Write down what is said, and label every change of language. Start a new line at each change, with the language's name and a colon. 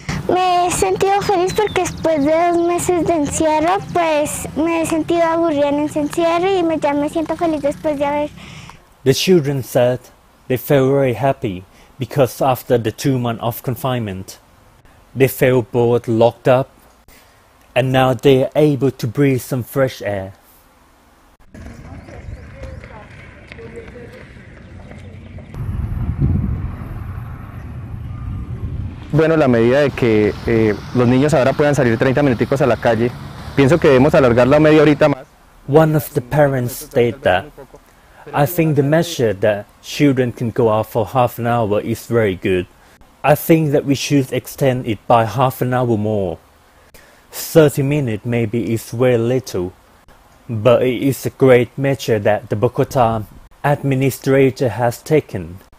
Spanish: Me he sentido feliz porque después de 2 meses de encierro, pues me he sentido aburrida en ese encierro y ya me siento feliz después de haber...
English: The children said they felt very happy because after the 2 months of confinement, they felt bored, locked up, and now they are able to breathe some fresh air.
Spanish: Bueno, la medida de que los niños ahora puedan salir 30 minuticos a la calle, pienso que debemos alargarla media horita más.
English: One of the parents stated that, I think the measure that children can go out for half an hour is very good. I think that we should extend it by half an hour more. 30 minutes maybe is very little, but it is a great measure that the Bogota administrator has taken.